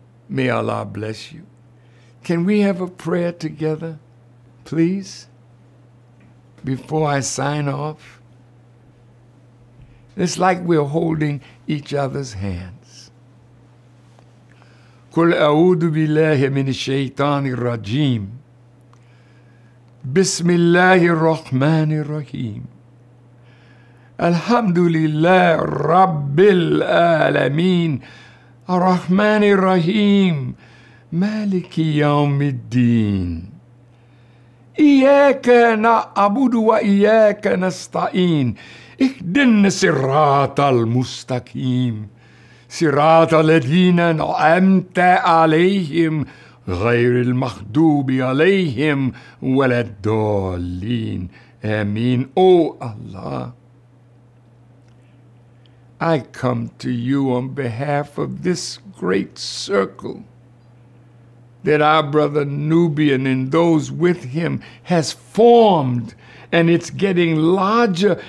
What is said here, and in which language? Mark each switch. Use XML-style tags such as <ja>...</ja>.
<en>May Allah bless you. Can we have a prayer together, please? Before I sign off, it's like we're holding each other's hands.</en> <ar>قُلْ أَعُوذُ بِاللَّهِ مِنِ الشَّيْطَانِ الرَّجِيمِ بِسْمِ اللَّهِ الرَّحْمَنِ الرَّحِيمِ الْحَمْدُ لِلَّهِ رَبِّ الْعَالَمِينَ الرحمن الرحيم مالك يوم الدين إياك نعبد وإياك نستعين اهدنا صراط المستقيم صراط الذين أنعمت عليهم غير المغضوب عليهم ولا الضالين آمين.</ar> <en>O Allah, I come to you on behalf of this great circle that our brother Nubian and those with him has formed, and it's getting larger.</en>